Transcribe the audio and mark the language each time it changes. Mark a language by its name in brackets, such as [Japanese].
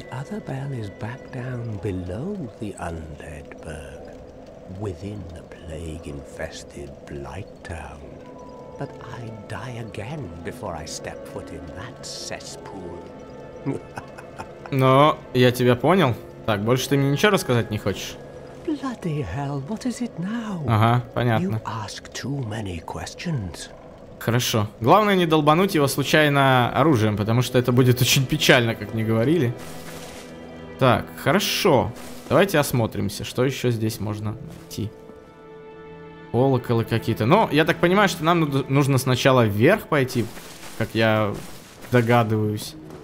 [English] The other bell is back down below the undead burg, within the plague-infested Blight Town. But I'd die again before I step foot in that cesspool. [Russian] Но я тебя понял. Так, больше ты мне ничего рассказать не хочешь? Ага, понятно. [English] You ask too many questions. [Russian] Хорошо. Главное не долбануть его случайно оружием, потому что это будет очень печально, как мне говорили. Так, хорошо. Давайте осмотримся, что еще здесь можно найти. Колоколы какие-то. Но я так понимаю, что нам нужно сначала вверх пойти, как я догадываюсь.